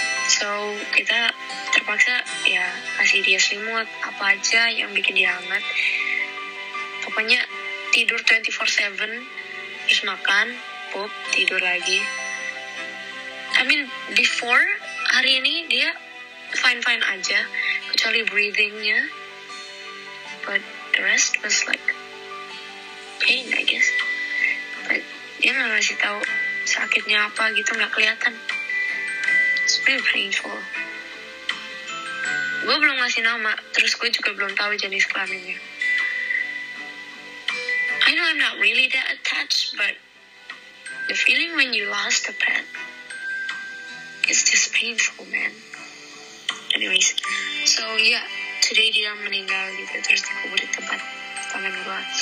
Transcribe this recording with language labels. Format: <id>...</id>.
<id>so kita terpaksa ya kasih dia selimut apa aja yang bikin dia hangat, pokoknya tidur 24/7, terus makan, pup, tidur lagi.</id> <en>I mean, before</en> <id>hari ini dia fine-fine aja, kecuali breathing-nya.</id> <en>But the rest was like pain, I guess.</en> <id>But dia nggak ngasih tahu sakitnya apa gitu, nggak kelihatan.</id> <en>It's really painful.</en> <id>Gue belum ngasih nama, terus gue juga belum tahu jenis kelaminnya.</id> <en>I know I'm not really that attached, but the feeling when you lost a pet, it's just painful, man. Anyways, so yeah, today</en> <id>dia meninggal gitu, terus dikubur di tempat tangan gue.</id>